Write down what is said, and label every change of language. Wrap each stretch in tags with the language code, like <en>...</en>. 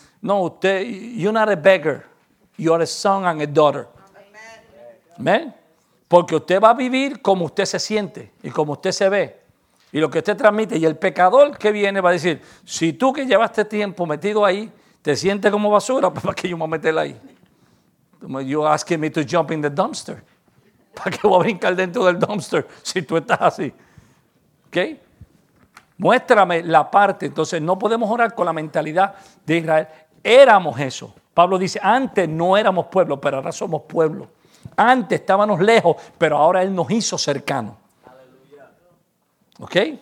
<en>No, usted, you're not a beggar. You're a son and a daughter. Amén.</en> <es>Porque usted va a vivir como usted se siente y como usted se ve y lo que usted transmite. Y el pecador que viene va a decir, si tú que llevaste tiempo metido ahí, te sientes como basura, ¿para qué yo me voy a meter ahí?</es> <en>You're asking me to jump in the dumpster.</en> <es>¿Para qué voy a brincar dentro del dumpster si tú estás así? ¿Ok? Muéstrame la parte. Entonces no podemos orar con la mentalidad de Israel. Éramos eso. Pablo dice, antes no éramos pueblo, pero ahora somos pueblo. Antes estábamos lejos, pero ahora Él nos hizo cercanos. ¿Ok?</es>